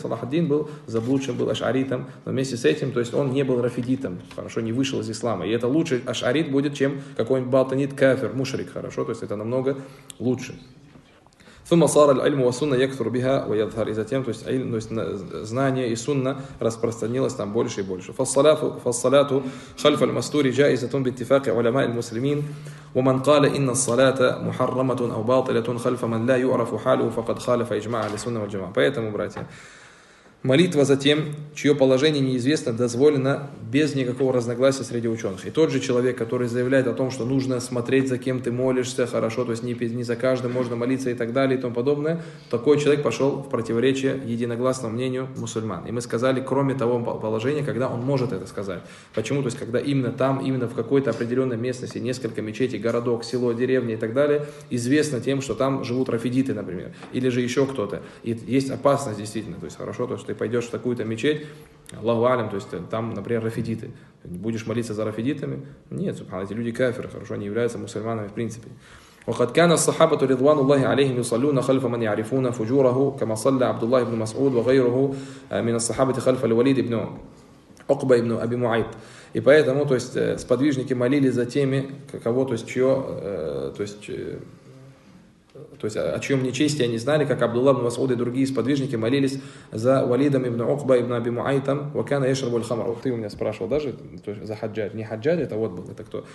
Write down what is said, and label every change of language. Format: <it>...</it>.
<ru>Нет, Салах ад-Дин был заблудшим, был аш'аритом, но вместе с этим, то есть, он не был рафидитом, хорошо, не вышел из ислама. И это лучше аш'арит будет, чем какой-нибудь батанит кафир, мушрик, хорошо, то есть это намного лучше.</ru> <ar>ثم صار العلم والسنة يكثر بها ويظهر إذا تم</ar> <ru>то есть знание и сунна распространилось там больше и больше.</ru> <ar>فالصلاة خلف المستور جائزة باتفاق علماء المسلمين ومن قال إن الصلاة محرمة أو باطلة خلف من لا يعرف حاله فقد خالف إجماع السنة والجماعة.</ar> <ru>Поэтому, братья, молитва за тем, чье положение неизвестно, дозволена без никакого разногласия среди ученых. И тот же человек, который заявляет о том, что нужно смотреть, за кем ты молишься, хорошо, то есть не за каждым можно молиться и так далее и тому подобное, такой человек пошел в противоречие единогласному мнению мусульман. И мы сказали, кроме того положения, когда он может это сказать. Почему? То есть когда именно там, именно в какой-то определенной местности, несколько мечетей, городок, село, деревня и так далее, известно тем, что там живут рафидиты, например, или же еще кто-то. И есть опасность действительно, то есть хорошо, то есть ты пойдешь в такую-то мечеть, Аллаху алям, то есть там, например, рафидиты. Будешь молиться за рафидитами? Нет, субхана, эти люди кафиры, хорошо, они являются мусульманами в принципе.</ru> <ar>وقد كان الصحابة رضوان الله عليهم يصلون خلف من يعرفون فجوره كما صلى عبد الله بن مسعود وغيره من الصحابة خلف الوليد بن عقبة بن أبي معيط.</ar> <ru>И поэтому, то есть, сподвижники молились за теми, кого, то есть, чье, то есть, то есть о чьем нечестии они знали, как Абдулла ибн Масуд и другие сподвижники молились за Валидом ибн Укба ибн Аби Муайтом,</ru> <ar>вакана яшрабу аль-хамр.</ar> <ru>Ты у меня спрашивал даже, то есть за хаджад. Не хаджад, это вот был, это кто?</ru>